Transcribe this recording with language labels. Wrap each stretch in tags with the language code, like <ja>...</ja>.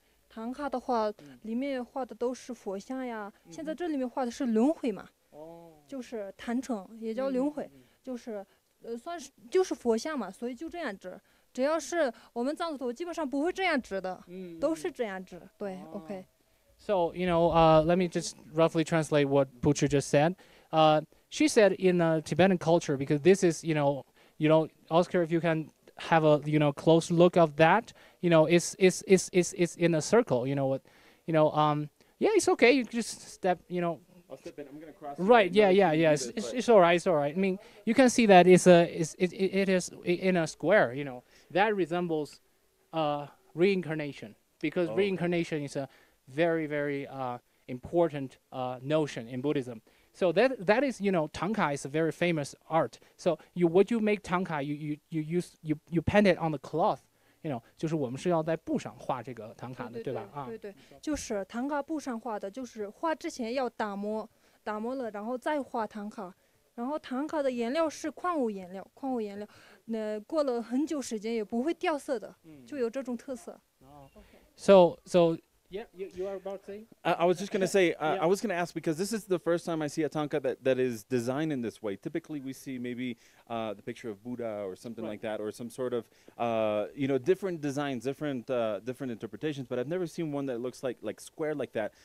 <zh>唐卡的话里面画的都是佛像呀，现在这里面画的是轮回嘛，就是坛城，也叫轮回，就是算是就是佛像嘛，所以就这样指，只要是我们藏族，基本上不会这样指的，都是这样指，对 ，OK.</zh> <en>So you know, let me just roughly translate what Puchi just said. She said in the Tibetan culture, because this is you know, Oscar, if you can have a close look of that. You know, it's in a circle. You know what? You know, yeah, it's okay. You just step. You know, I'll step in. I'm gonna cross. Right. Yeah. It's all right. I mean, you can see that it is in a square. You know, that resembles reincarnation because reincarnation is a very very important notion in Buddhism. So that is, you know, tanka is a very famous art. So what you make tanka, you paint it on the cloth. You know,</en> <zh>就是我们是要在布上画这个唐卡的，对吧？对对，就是唐卡布上画的，就是画之前要打磨，然后再画唐卡。然后唐卡的颜料是矿物颜料，矿物颜料，那过了很久时间也不会掉色的，就有这种特色。So</zh> <en>You are about to say? I was just going to say, I was going to ask because this is the first time I see a tanka that is designed in this way. Typically, we see maybe the picture of Buddha or something like that, or some sort of, different designs, different interpretations, but I've never seen one that looks like square like that.</en>